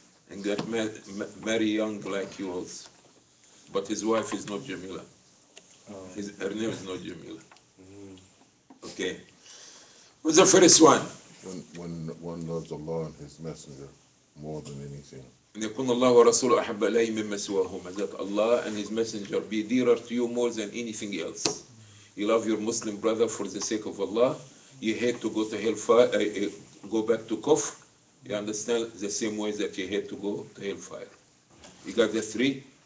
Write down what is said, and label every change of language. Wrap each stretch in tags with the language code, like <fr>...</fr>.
<en>And got very young like you also. But his wife is not Jamila. Her name is not Jamila. Mm-hmm. Okay. What's the first one? When one loves Allah and His Messenger more than anything. And</en> <ar>يكون الله ورسوله أحب إليه مما سواهما.</ar> <en>That Allah and His Messenger be dearer to you more than anything else. You love your Muslim brother for the sake of Allah. You hate to go to hellfire, go back to kufr. You understand the same way that you hate to go to hellfire. You got the three?</en>